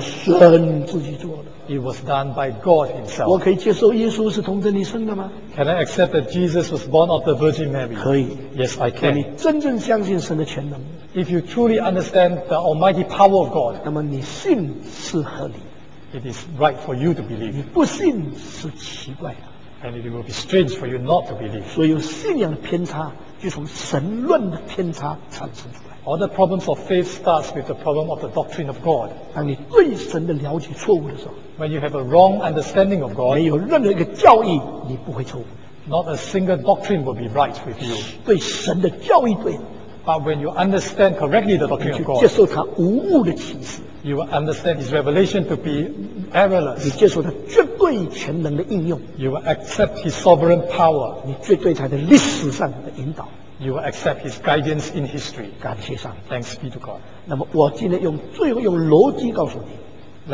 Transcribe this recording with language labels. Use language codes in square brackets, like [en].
[zh] 是神自己做的。 [en] It was done by God himself. [zh] 我可以接受耶稣是童贞女生的吗？ [en] Can I accept that Jesus was born of the Virgin Mary? [zh] 可以。 [en] Yes, I can. [zh] 你真正相信神的全能。 [en] If you truly understand the almighty power of God, [zh] 那么你信是合理。 [en] It is right for you to believe. [zh] 你不信是奇怪的。 [en] And it will be strange for you not to believe. [zh] 所以信仰的偏差就从神论的偏差产生出来。 [en] All the problems of faith starts with the problem of the doctrine of God. [zh] 当你对神的了解错误的时候， [en] When you have a wrong understanding of God, [zh] 没有任何一个教义你不会错误。 [en] Not a single doctrine will be right with you. [zh] 对神的教义对。 [en] But when you understand correctly the doctrine of God, [zh] 接受他无误的启示， [en] you will understand his revelation to be errorless. [zh] 你接受他绝对全能的应用， [en] you will accept his sovereign power. [zh] 你绝对他的历史上的引导， [en] you will accept his guidance in history. [zh] 感谢上帝。 [en] Thanks be to God. [zh] 那么我今天用最后用逻辑告诉你，